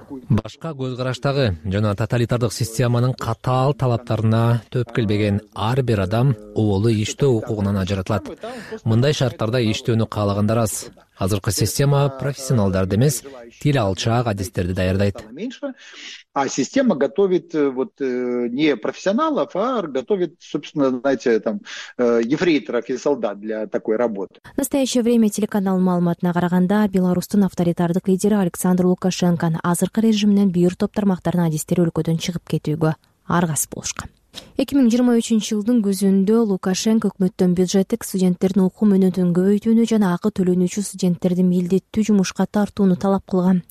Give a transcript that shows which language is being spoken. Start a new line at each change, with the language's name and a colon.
Kyrgyz: башка көз караштагы жана тоталитардык системанын катаал талаптарына төп келбеген ар бир адам оолу иштөө укугунан ажыратылат. Мындай шарттарда иштөөнү каалагандар аз. Азыркы система профессионалдарды эмес, тил алчаак адистерди даярдайт.
Russian: А система готовит вот не профессионалов, а готовит, собственно, знаете, там ефрейторов и солдат для такой работы. В настоящее время
Kyrgyz: телеканал маалыматына караганда Беларусьтун авторитардык лидери Александр Лукашенконун азыркы режимден бир топ тармактардын адистери өлкөдөн чыгып кетүүгө аргасыз болушкан. 2023-жылдын күзүндө Лукашенко өкмөттөн бюджеттик студенттердин окуу мөөнөтүн көбөйтүүнү жана акы төлөнүүчү студенттерди милдеттүү жумушка тартууну талап кылган.